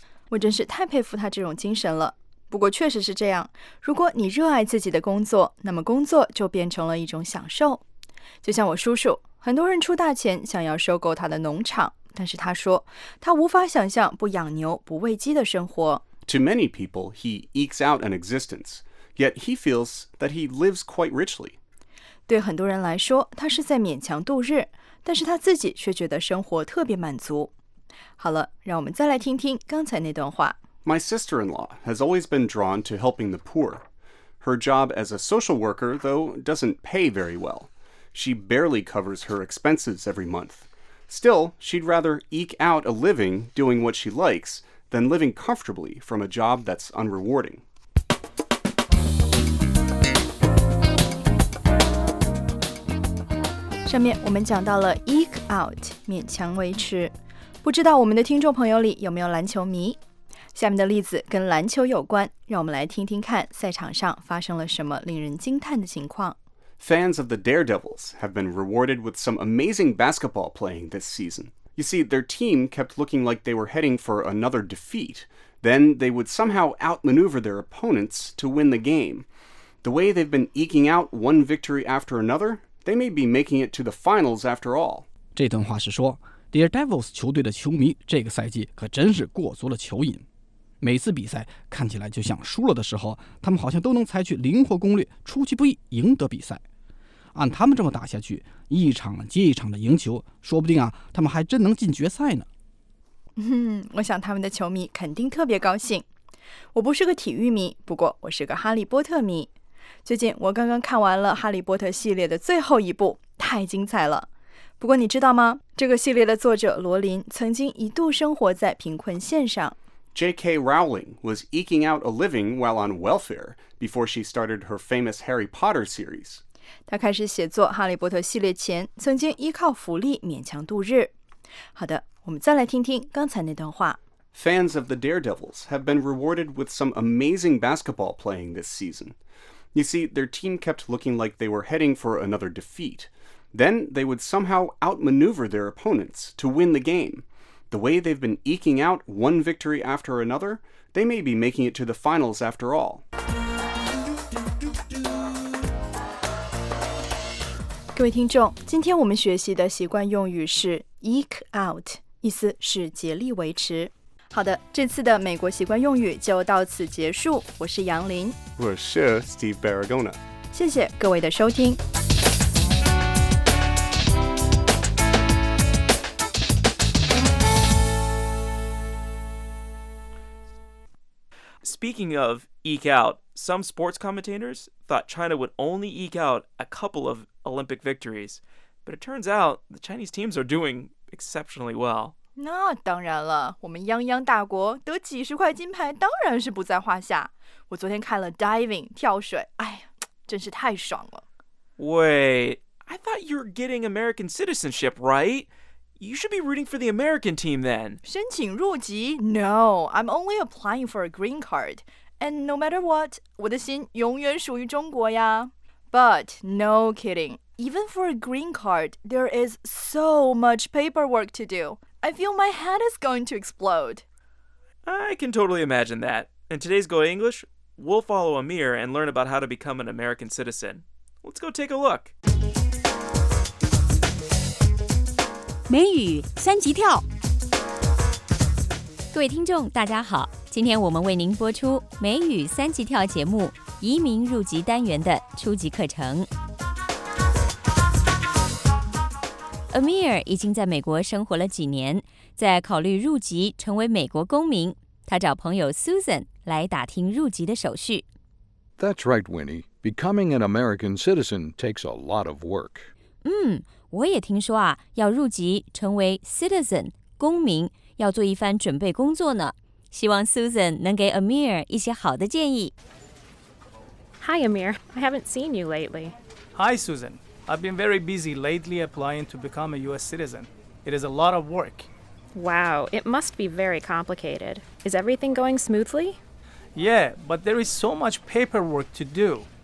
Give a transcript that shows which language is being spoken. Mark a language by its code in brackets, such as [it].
[zh] 我真是太佩服他这种精神了。不过确实是这样，如果你热爱自己的工作，那么工作就变成了一种享受。就像我叔叔，很多人出大钱想要收购他的农场，但是他说，他无法想象不养牛、不喂鸡的生活。 [en] To many people, he ekes out an existence, yet he feels that he lives quite richly. [zh] 对很多人来说，他是在勉强度日，但是他自己却觉得生活特别满足。好了，让我们再来听听刚才那段话。 [en] My sister-in-law has always been drawn to helping the poor. Her job as a social worker, though, doesn't pay very well. She barely covers her expenses every month. Still, she'd rather eke out a living doing what she likes than living comfortably from a job that's unrewarding. [zh] 上面我们讲到了 eke out, 勉强维持。不知道我们的听众朋友里有没有篮球迷？下面的例子跟篮球有关，让我们来听听看赛场上发生了什么令人惊叹的情况。 [en] Fans of the Daredevils have been rewarded with some amazing basketball playing this season. You see, their team kept looking like they were heading for another defeat. Then they would somehow outmaneuver their opponents to win the game. The way they've been eking out one victory after another, they may be making it to the finals after all. [zh] 这段话是说Daredevils 球队的球迷这个赛季可真是过足了球瘾，每次比赛看起来就像输了的时候，他们好像都能采取灵活攻略，出其不意赢得比赛。按他们这么打下去，一场接一场的赢球，说不定啊，他们还真能进决赛呢。我想他们的球迷肯定特别高兴。我不是个体育迷，不过我是个哈利波特迷。最近我刚刚看完了哈利波特系列的最后一部，太精彩了。不过你知道吗？这个系列的作者罗琳曾经一度生活在贫困线上。 [en] J.K. Rowling was eking out a living while on welfare before she started her famous Harry Potter series. [zh] 她开始写作《哈利波特》系列前，曾经依靠福利勉强度日。好的，我们再来听听刚才那段话。 [en] Fans of the Daredevils have been rewarded with some amazing basketball playing this season. You see, their team kept looking like they were heading for another defeat. Then they would somehow outmaneuver their opponents to win the game. The way they've been eking out one victory after another, they may be making it to the finals after all. [zh] 各位听众，今天我们学习的习惯用语是 eke out, 意思是竭力维持。好的，这次的美国习惯用语就到此结束。我是杨林，我是 Steve Barragona。谢谢各位的收听。 [en] Speaking of eke out, some sports commentators thought China would only eke out a couple of Olympic victories. But it turns out the Chinese teams are doing exceptionally well. [zh] 那当然了，我们泱泱大国得几十块金牌当然是不在话下。我昨天看了 diving, 跳水，哎呀，真是太爽了。 [en] Wait, I thought you were getting American citizenship, right? You should be rooting for the American team then. [zh] 申请入籍? [en] No, I'm only applying for a green card. And no matter what, [zh] 我的心永远属于中国呀。 [en] But no kidding. Even for a green card, there is so much paperwork to do. I feel my head is going to explode. I can totally imagine that. In today's Go English, we'll follow Amir and learn about how to become an American citizen. Let's go take a look. [zh] 美语三级跳，各位听众大家好，今天我们为您播出美语三级跳节目移民入籍单元的初级课程。 Amir 已经在美国生活了几年，在考虑入籍成为美国公民，他找朋友 Susan 来打听入籍的手续。 [en] That's right, Winnie. Becoming an American citizen takes a lot of work. [zh] 我也听说啊，要入籍成为 citizen 公民，要做一番准备工作呢。希望 Susan 能给 Amir 一些好的建议。 [en] Hi Amir, I haven't seen you lately. Hi Susan, I've been very busy lately applying to become a U.S. citizen. It is a lot of work. Wow, it must be very complicated. Is everything going smoothly? Yeah, but there is so much paperwork to do.